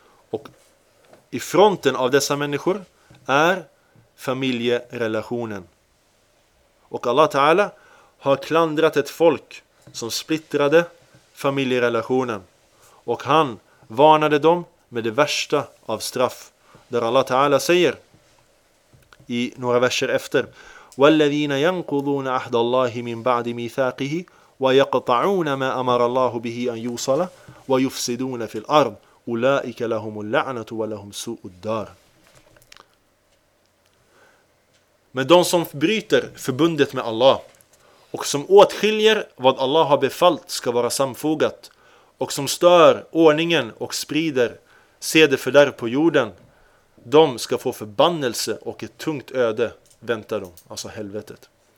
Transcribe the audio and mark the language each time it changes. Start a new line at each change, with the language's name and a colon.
Swedish: Och i fronten av dessa människor är familjerelationen. Och Allah Ta'ala har klandrat ett folk som splittrade familjerelationen. Och han varnade dem med det värsta av straff. Där Allah Ta'ala säger i några verser efter:
Arabic: وَالَّذِينَ يَنْقُضُونَ أَحْدَ اللَّهِ مِنْ بَعْدِ مِيثَاقِهِ وَيَقْطَعُونَ مَا أَمَرَ اللَّهُ بِهِ أَنْ يُوصَلَ وَيُفْسِدُونَ فِي الْأَرْضِ أُولَٰئِكَ لَهُمُ اللَّعْنَةُ وَلَهُمْ سُوءُ الدَّارِ.
Swedish: Men de som bryter förbundet med Allah och som åtskiljer vad Allah har befallt ska vara samfogat och som stör ordningen och sprider sedefördärv på jorden, de ska få förbannelse och ett tungt öde väntar dem, alltså helvetet.